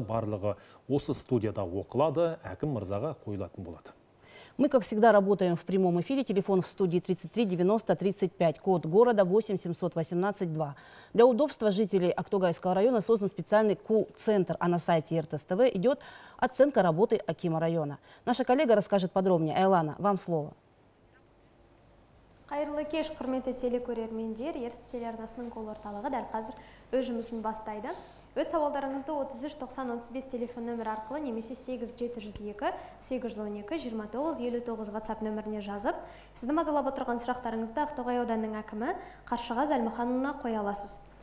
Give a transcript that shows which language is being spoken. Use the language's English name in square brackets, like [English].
[Kazakh] Барлығы осы студияда оқылады, әкім мырзаға қойылатын болады. [Russian] Мы, как всегда, работаем в прямом эфире. Телефон в студии 33-90-35, код города 8-718-2. Для удобства жителей Актогайского района создан специальный КУ-центр, а на сайте РТСТВ идет оценка работы акима района. Наша коллега расскажет подробнее. Айлана, вам слово. [Kazakh] Қайырлы кеш, құрметті телекөрермендер, ертіс телеарнасының қол орталығы дәл қазір өз жұмысын бастайды. Өз сауалдарыңызды 33-90-35 телефон нөмір арқылы немесе 8-702-812-29-59 WhatsApp нөміріне жазып, сізді мазалап отырған сұрақтарыңызды Ақтоғай ауданының әкімі Қаршыға Зәлмұханұлына қоя аласыз.